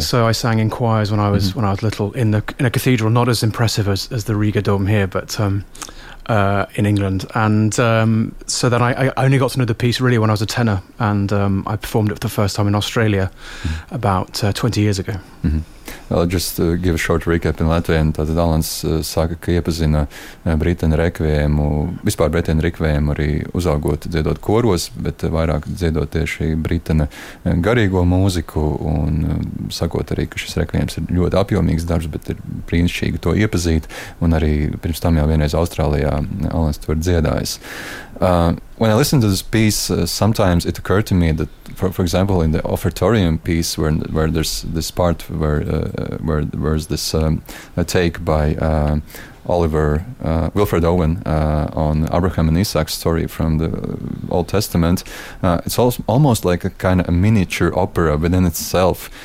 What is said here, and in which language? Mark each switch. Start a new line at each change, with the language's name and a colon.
English: So I sang in choirs when I was when I was little in a cathedral, not as impressive as the Riga Dome here, but in England. And so then I only got to know the piece really when I was a tenor, and I performed it for the first time in Australia about 20 years ago. Well, just to give a short recap in Latvian,
Latvian: tad Alans saka, ka iepazina Britena Rekvējumu, vispār Britena Rekvējumu arī uzaugot dziedot koros, bet vairāk dziedot tieši Britena garīgo mūziku, un sakot arī, ka šis Rekvējums ir ļoti apjomīgs darbs, bet ir brīnišķīgi to iepazīt, un arī pirms tam jau vienreiz Austrālijā Alans to ir dziedājis.
English: When I listened to this piece, sometimes it occurred to me that, for example, in the offertorium piece, where there's this part where there's this a take by Oliver Wilfred Owen on Abraham and Isaac's story from the Old Testament, it's almost like a kind of a miniature opera within itself.